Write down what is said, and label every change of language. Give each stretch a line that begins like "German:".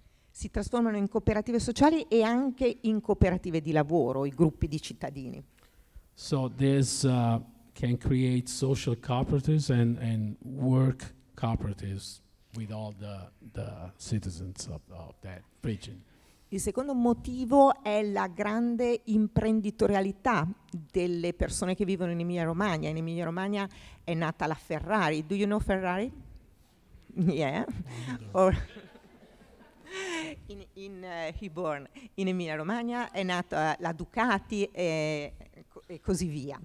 Italian: Si trasformano in cooperative sociali e anche in cooperative di lavoro, i gruppi di cittadini.
English: So this can create social cooperatives and work cooperatives with all the citizens of that region.
Italian: Il secondo motivo è la grande imprenditorialità delle persone che vivono in Emilia Romagna. In Emilia Romagna è nata la Ferrari.
English: Do you know Ferrari? Yeah.
Italian: Or in Emilia Romagna è nata la Ducati e così via.